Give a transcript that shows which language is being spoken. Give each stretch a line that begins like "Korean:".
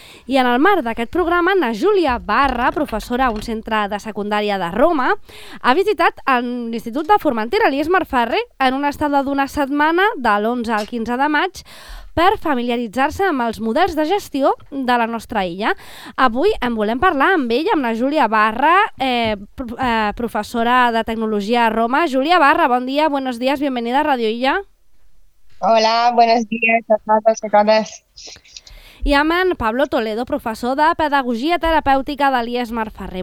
Catalan: I en el marc d'aquest programa, na Júlia Barra, professora a un centre de secundària de Roma, ha visitat l'Institut de Formentera, l'IES Marferrer, en una estada d'una setmana, de l'11 al 15 de maig, per familiaritzar-se amb els models de gestió de la nostra illa. Avui en volem parlar amb ella, amb la Júlia Barra, professora de tecnologia a Roma.
Spanish: Júlia Barra,
Catalan: bon dia,
Spanish: buenos días, bienvenida a Radio Illa. Hola, buenos días a todos y a todas.
Catalan: I amb en Pablo Toledo, professor de pedagogia terapèutica de l'IES Marferrer.